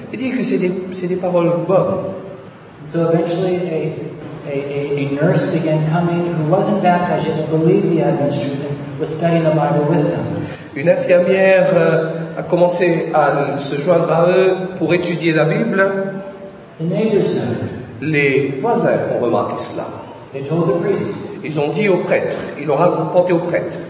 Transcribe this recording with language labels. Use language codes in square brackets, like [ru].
[fr] Il dit que c'est des paroles bonnes. [en] So eventually a nurse began coming who wasn't baptized yet but believed the Advent truth and was studying the Bible with them. [fr] Une infirmière a commencé à se joindre à eux pour étudier la Bible. [en] The neighbors noticed. [fr] Les voisins ont remarqué cela. [en] They told the priest. [fr] Ils ont dit au prêtre. Ils l'ont rapporté au prêtre.